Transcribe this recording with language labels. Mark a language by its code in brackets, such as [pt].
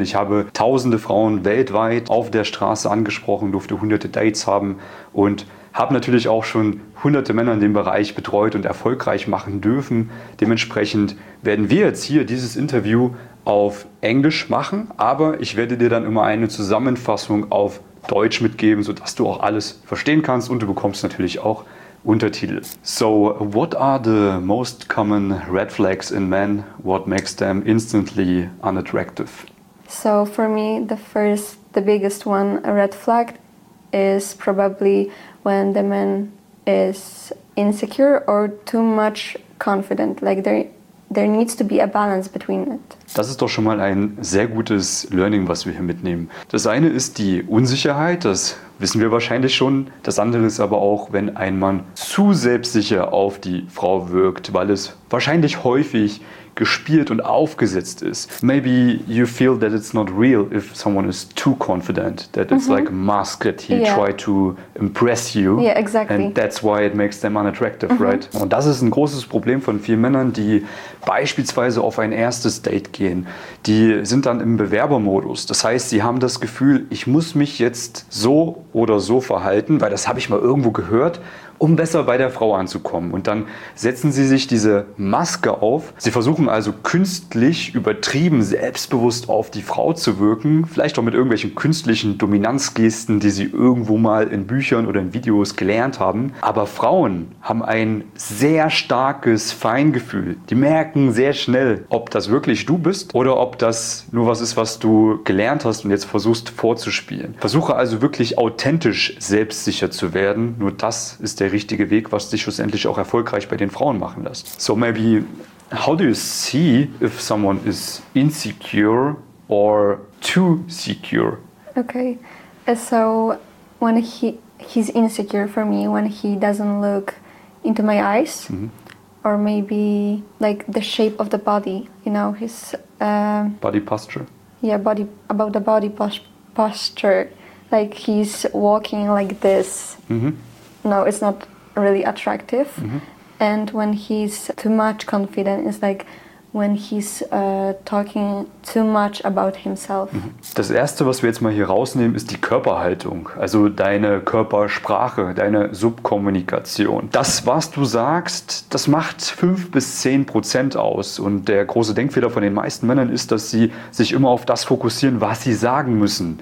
[de] Ich habe tausende Frauen weltweit auf der Straße angesprochen, durfte hunderte Dates haben und habe natürlich auch schon hunderte Männer in dem Bereich betreut und erfolgreich machen dürfen. Dementsprechend werden wir jetzt hier dieses Interview auf Englisch machen, aber ich werde dir dann immer eine Zusammenfassung auf Deutsch mitgeben, sodass du auch alles verstehen kannst und du bekommst natürlich auch Untertitel. [en] So, what are the most common red flags in men? What makes them instantly unattractive? So, for me, the biggest one, a red flag, is probably when the man is insecure or too much confident. Like, there needs to be a balance between it. [de] Das ist doch schon mal ein sehr gutes Learning, was wir hier mitnehmen. Das eine ist die Unsicherheit, das wissen wir wahrscheinlich schon. Das andere ist aber auch, wenn ein Mann zu selbstsicher auf die Frau wirkt, weil es wahrscheinlich häufig gespielt und aufgesetzt ist. [en] Maybe you feel that it's not real if someone is too confident, that it's like masked, try to impress you. Yeah, exactly. And that's why it makes them unattractive, right? [de] Und das ist ein großes Problem von vielen Männern, die beispielsweise auf ein erstes Date gehen. Die sind dann im Bewerbermodus. Das heißt, sie haben das Gefühl, ich muss mich jetzt so oder so verhalten, weil das habe ich mal irgendwo gehört, um besser bei der Frau anzukommen. Und dann setzen sie sich diese Maske auf. Sie versuchen also künstlich übertrieben selbstbewusst auf die Frau zu wirken. Vielleicht auch mit irgendwelchen künstlichen Dominanzgesten, die sie irgendwo mal in Büchern oder in Videos gelernt haben. Aber Frauen haben ein sehr starkes Feingefühl. Die merken sehr schnell, ob das wirklich du bist oder ob das nur was ist, was du gelernt hast und jetzt versuchst vorzuspielen. Versuche also wirklich authentisch selbstsicher zu werden. Nur das ist der richtige Weg, was dich schlussendlich auch erfolgreich bei den Frauen machen lässt. [en] So maybe, how do you see if someone is insecure or too secure? Okay, so when he's insecure for me, when he doesn't look into my eyes, or maybe like the shape of the body, you know, his... body posture? Yeah, about the body posture, like he's walking like this. No, it's not really attractive. And when he's too much confident, it's like when he's talking too much about himself. [de] Das Erste, was wir jetzt mal hier rausnehmen, ist die Körperhaltung. Also deine Körpersprache, deine Subkommunikation. Das, was du sagst, das macht 5-10% aus. Und der große Denkfehler von den meisten Männern ist, dass sie sich immer auf das fokussieren, was sie sagen müssen.